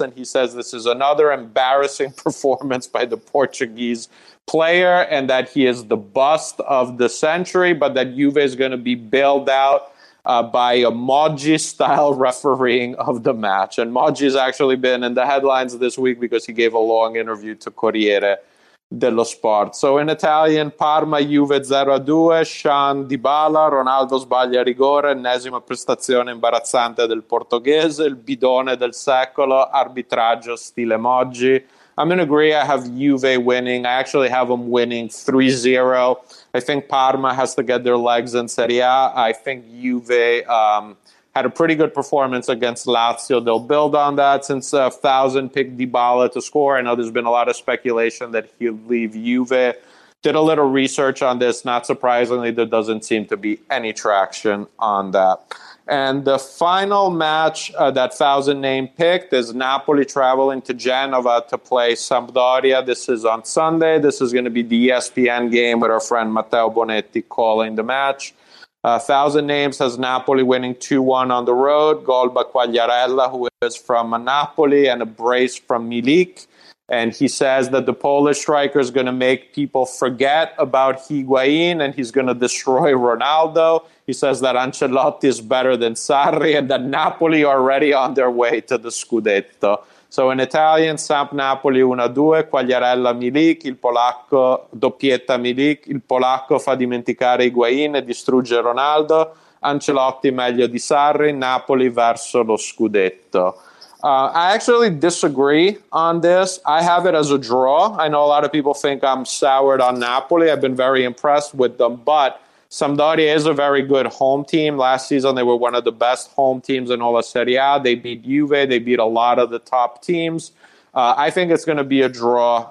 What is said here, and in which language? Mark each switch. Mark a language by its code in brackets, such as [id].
[en] And he says this is another embarrassing performance by the Portuguese player and that he is the bust of the century, but that Juve is going to be bailed out by a Modgy-style refereeing of the match. And Modgy has actually been in the headlines this week because he gave a long interview to Corriere dello Sport. So in Italian, [it] Parma, Juve 0-2, Sean Dybala, Ronaldo sbaglia rigore, ennesima prestazione imbarazzante del portoghese, il bidone del secolo, arbitraggio stile Modgy. [en] I'm going to agree. I have Juve winning. I actually have them winning 3-0. I think Parma has to get their legs in Serie A. I think Juve had a pretty good performance against Lazio. They'll build on that since 1,000 picked Dybala to score. I know there's been a lot of speculation that he'll leave Juve. Did a little research on this. Not surprisingly, there doesn't seem to be any traction on that. And the final match that Thousand Name picked is Napoli traveling to Genova to play Sampdoria. This is on Sunday. This is going to be the ESPN game with our friend Matteo Bonetti calling the match. Thousand Names has Napoli winning 2-1 on the road. Goal by Quagliarella, who is from Napoli, and a brace from Milik. And he says that the Polish striker is going to make people forget about Higuain and he's going to destroy Ronaldo. He says that Ancelotti is better than Sarri and that Napoli are already on their way to the Scudetto. So in Italian, [it] Samp Napoli 1-2, Quagliarella Milik, il Polacco, doppietta Milik, il Polacco fa dimenticare Higuain e distrugge Ronaldo, Ancelotti meglio di Sarri, Napoli verso lo Scudetto. [en] I actually disagree on this. I have it as a draw. I know a lot of people think I'm soured on Napoli. I've been very impressed with them, but Sampdoria is a very good home team. Last season, they were one of the best home teams in all of Serie A. They beat Juve. They beat a lot of the top teams. I think it's going to be a draw.